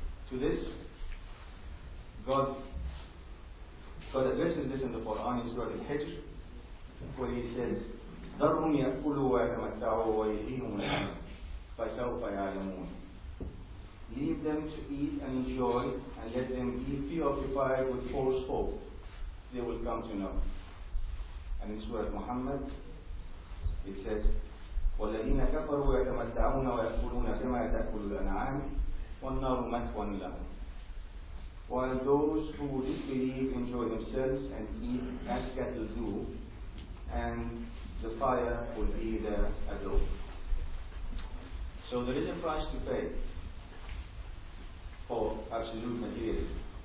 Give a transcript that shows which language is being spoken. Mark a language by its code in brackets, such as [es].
[en] To this, God addresses this in the Quran, in Surah Al-Hijr, where he says, [ar] ذَرْهُمْ يَأْكُلُوا وَيَتَمَتَّعُوا وَيَلْهِهِمُ الْأَمَلُ فَسَوْفَ يَعْلَمُونَ. [en] Leave them to eat and enjoy, and let them be preoccupied with false hope. They will come to know. And in Surah Muhammad, it says, [ar] وَالَّذِينَ كَفَرُوا وَيَتَمَتَّعُونَ وَيَأْكُلُونَ كَمَا يَأْكُلُ الْأَنْعَامُ وَالنَّارُ مَثْوًى لَهُمْ. [en] While those who disbelieve enjoy themselves and eat as cattle do, and the fire will be their abode. So there is a price to pay for absolute materialism.